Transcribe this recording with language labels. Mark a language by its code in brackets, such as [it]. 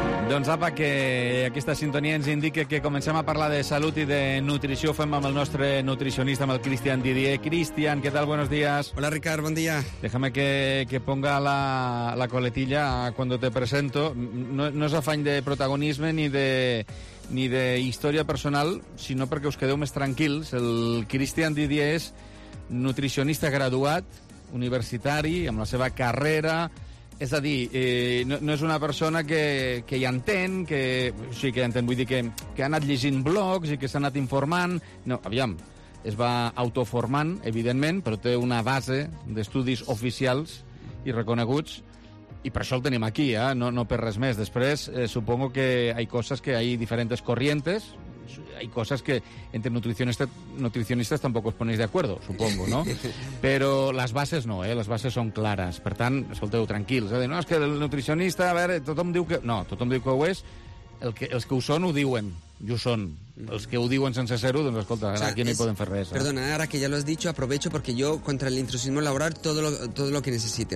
[ca] Doncs apa, que aquesta sintonia ens indica que comencem a parlar de salut i de nutrició. Ho fem amb el nostre nutricionista, amb el Cristian Didier. Cristian, què tal? [es] Buenos días. [ca] Hola, Ricard, bon dia. [es] Déjame que ponga la coletilla cuando te presento. [ca] No és afany de protagonisme ni de història personal, sinó perquè us quedeu més tranquils. El Cristian Didier és nutricionista graduat, universitari, amb la seva carrera. És a dir, no és una persona que hi entén, que ha anat llegint blogs i que s'ha anat informant. No, aviam, es va autoformant, evidentment, però té una base d'estudis oficials i reconeguts, i per això el tenim aquí, no per res més. Després, supongo que hi ha coses que hi ha diferents corrientes. [es] Hay cosas que entre nutricionistas tampoco os ponéis de acuerdo, supongo, ¿no? Pero las bases no, ¿eh? Las bases son claras. [ca] Per tant, escolteu, tranquils. No, és que el nutricionista, a veure, tothom diu que... No, tothom diu que ho és, Els que ho són ho diuen, i ho són. Els que ho diuen sense ser-ho, doncs escolta, o sea, aquí no hi podem fer res. [es] Perdona, [ca] ara que ja [es] lo has dicho, aprovecho porque yo contra el intrusismo laboral todo lo que necesite.